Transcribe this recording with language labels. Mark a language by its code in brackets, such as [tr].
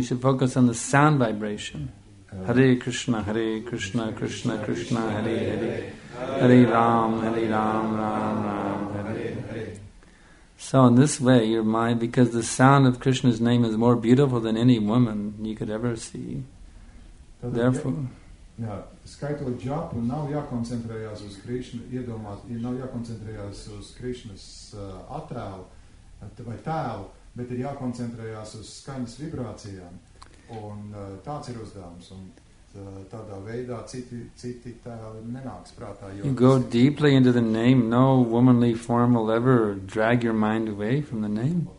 [en] You should focus on the sound vibration. Hare Krishna, Hare Krishna, Krishna Krishna, Hare Hare. [sa] Hare Ram, Hare Ram, Ram Ram, Hare Hare. [en] So in this way, your mind, because the sound of Krishna's name is more beautiful than any woman you could ever see. Therefore, [lv] skaitot japu, nav jākoncentrējās uz Krišna, iedomāt, nav jākoncentrējās uz Krišnas attēlu vai tēlu, bet ir jākoncentrējās uz skaņas vibrācijām. Un tāds ir uzdevums. Un tādā veidā citi tēli nenāks prātā. [en] Jo you go deeply into the name, no womanly form will ever drag your mind away from the name.